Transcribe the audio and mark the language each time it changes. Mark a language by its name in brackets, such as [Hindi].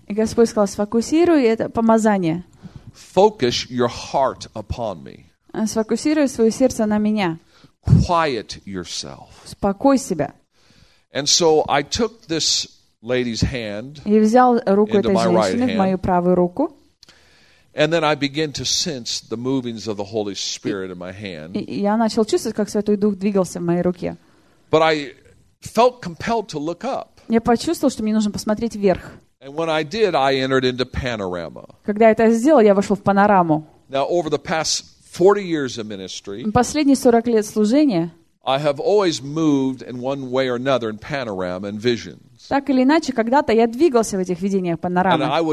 [Russian] И Господь сказал, сфокусируй это помазание. [English] Focus your heart upon me. [Russian] Сфокусируй свое сердце на меня. [English] Quiet yourself. [Russian] Успокой себя. [English] And so I took this lady's hand. [Russian] Я взял руку этой женщины в мою правую руку. [English] And then I began to sense the movings of the Holy Spirit in my hand. [Russian] Я начал чувствовать, как Святой Дух двигался в моей руке. [English] But I felt compelled to look up. [Russian] Я почувствовал, что мне нужно посмотреть вверх. [English] And when I did, I entered into panorama. [Russian] Когда я это сделал, я вошел в панораму. [English] Now, over the past 40 years of ministry, [Russian] последние 40 лет служения, [English] I have always moved in one way or another in panorama and vision. [Russian] Так или иначе, когда-то я двигался в этих видениях панорамы.